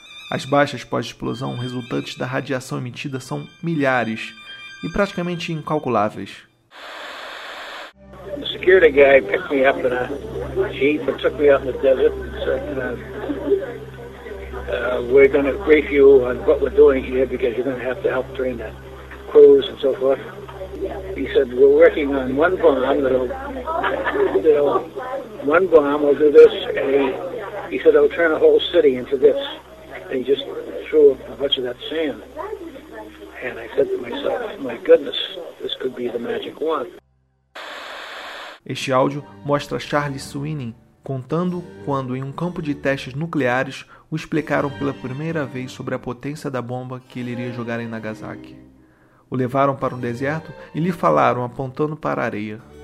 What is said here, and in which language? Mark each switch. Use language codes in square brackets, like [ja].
[pt] As baixas pós-explosão resultantes da radiação emitida são milhares e praticamente incalculáveis. O segurança me pegou em um jeep e me levou no deserto. Nós vamos refuelar o que estamos fazendo aqui, porque você vai ter que ajudar a treinar os crews e [en] so forth. He said, we're working on one bomb, one bomb will do this, and he said, it'll turn a whole city into this. And he just threw a bunch of that sand. And I said to myself, my goodness, this could be the magic wand. [pt] Este áudio mostra Charles Sweeney contando quando, em um campo de testes nucleares, o explicaram pela primeira vez sobre a potência da bomba que ele iria jogar em Nagasaki. O levaram para um deserto e lhe falaram, apontando para a areia.